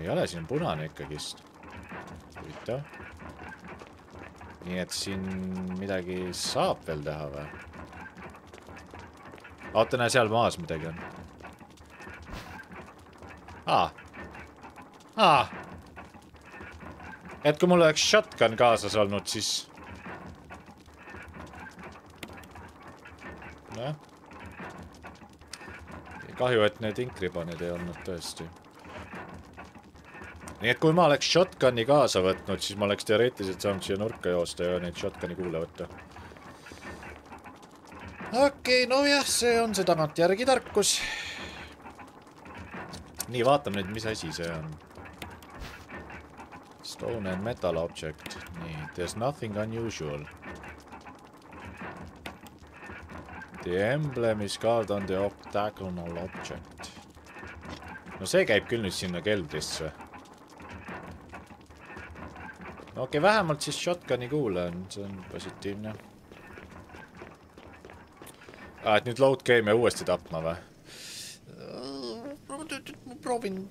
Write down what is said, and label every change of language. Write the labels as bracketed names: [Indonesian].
[Estonian] ei ole , siin on punane ikkagist . huvitav . nii et siin midagi saab veel teha või ? oota , näe seal maas midagi on . et kui mul oleks shotgun kaasas olnud , siis . nojah . kahju , et need inkribanid ei olnud tõesti . nii et kui ma oleks shotgun'i kaasa võtnud , siis ma oleks teoreetiliselt saanud siia nurka joosta ja neid shotgun'i kuule võtta . okei , nojah , see on see tagantjärgi tarkus . nii , vaatame nüüd , mis asi see on . [English] Stone and metal object , [Estonian] nii [English] , there's nothing unusual . The emblem is carved on the octagonal object . [Estonian] no see käib küll nüüd sinna keldrisse . okei , vähemalt siis shotgun'i kuule on , see on positiivne . et nüüd load game ja uuesti tapma või ?